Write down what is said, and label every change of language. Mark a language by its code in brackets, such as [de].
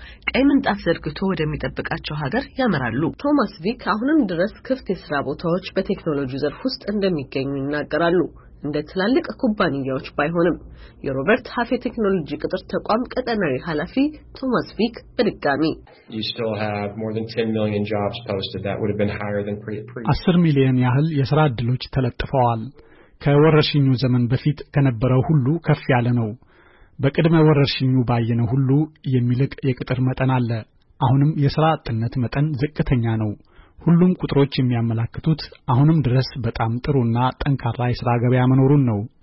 [am] ቀይ ምንጣፍ ዘርግቶ ወደሚጠብቃቸው ሀገር ያመራሉ። ቶማስ ቪክ አሁንም ድረስ ክፍት የስራ ቦታዎች በቴክኖሎጂ ዘርፍ ውስጥ እንደሚገኙ ይናገራሉ። እንደ ትላልቅ ኩባንያዎች ባይሆንም የሮበርት ሃፌ ቴክኖሎጂ ቅጥር ተቋም ቀጠናዊ ኃላፊ ቶማስ ቪክ በድጋሚ [en] You still have more than 10 million jobs posted that would have been higher than pre [am] 10 million ያህል የስራ እድሎች ተለጥፈዋል። ከወረርሽኙ ዘመን በፊት ከነበረው ሁሉ ከፍ ያለ ነው። በቅድመ ወረርሽኙ ባየነው ሁሉ የሚልቅ የቅጥር መጠን አለ። አሁንም የስራ አጥነት መጠን ዝቅተኛ ነው። ሁሉም ቁጥሮች የሚያመለክቱት አሁንም ድረስ በጣም ጥሩና ጠንካራ የስራ ገበያ መኖሩን ነው።